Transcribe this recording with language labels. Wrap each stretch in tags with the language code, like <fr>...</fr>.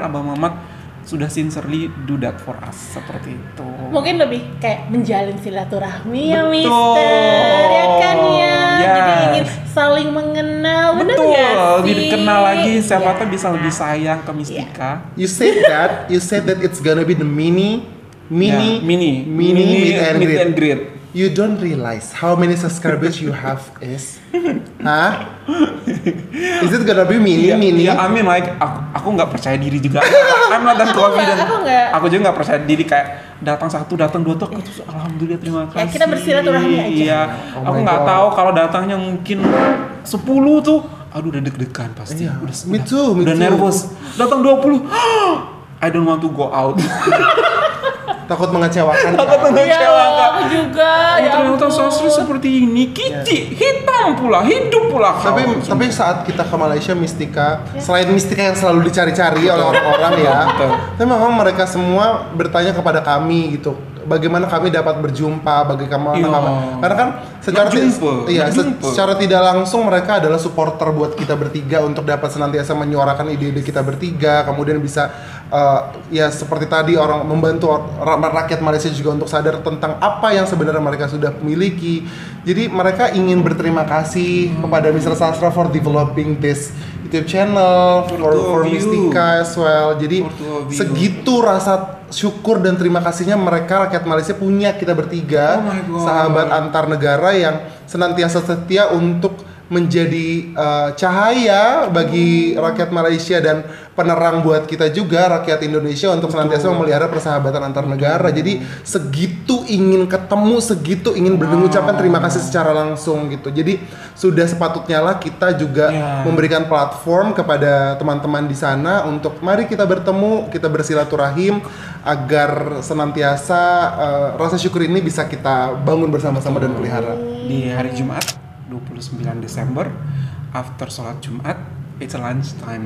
<id>Dan Abang Mama sudah</id> <en>sincerely do that for us,</en> <id>seperti itu. Mungkin lebih kayak menjalin silaturahmi. Betul. Ya Mister, ya kan ya. jadi ingin saling mengenal. Betul, lebih kenal lagi, siapa tahu bisa lebih sayang ke Mistika.</id> <en>You said that it's gonna be the mini meet and greet. You don't realize how many subscribers you have is, huh? Is it gonna be mini? Yeah, I mean like</en> <id>aku nggak percaya diri juga.</id> <en>I'm not that confident.</en> <id>Aku juga nggak percaya diri kayak datang satu, datang dua, tuh terus alhamdulillah terima kasih. Ya kita bersilaturahmi aja. Iya, aku nggak tahu kalau datangnya mungkin 10 tuh. Aduh, udah deg-degan pasti.</id> <en>Yeah,</en> <id>udah</id> <en>me too,</en> <id>udah,</id> <en>me</en> <id>udah</id> <en>too. Nervous.</en> <id>Datang 20,</id> <en>I don't want to go out.</en> <id>Takut mengecewakan. Takut mengecewakan. Ya, aku juga. Ternyata sosri seperti ini. Kici, hitam pula, hidup pula. Tapi saat kita ke Malaysia, Mistika, selain Mistika yang selalu dicari-cari oleh orang-orang ya, tapi memang mereka semua bertanya kepada kami gitu, bagaimana kami dapat berjumpa, bagaimana kami. Karena kan secara tidak langsung mereka adalah supporter buat kita bertiga untuk dapat senantiasa menyuarakan ide-ide kita bertiga, kemudian bisa ya seperti tadi orang membantu rakyat Malaysia juga untuk sadar tentang apa yang sebenarnya mereka sudah miliki. Jadi mereka ingin berterima kasih kepada Mr.</id> <en>Sastra for developing this YouTube channel for Mistika as well.</en> <id>Jadi segitu rasa syukur dan terima kasihnya mereka rakyat Malaysia punya kita bertiga, sahabat antar negara yang senantiasa setia untuk menjadi cahaya bagi rakyat Malaysia dan penerang buat kita juga rakyat Indonesia untuk senantiasa memelihara persahabatan antar negara. Jadi segitu ingin ketemu, segitu ingin mengucapkan terima kasih secara langsung gitu. Jadi sudah sepatutnya lah kita juga memberikan platform kepada teman-teman di sana untuk mari kita bertemu, kita bersilaturahim agar senantiasa rasa syukur ini bisa kita bangun bersama-sama dan pelihara. Di hari Jumat 29 Desember after sholat Jumat,</id> <en>it's lunch time.</en>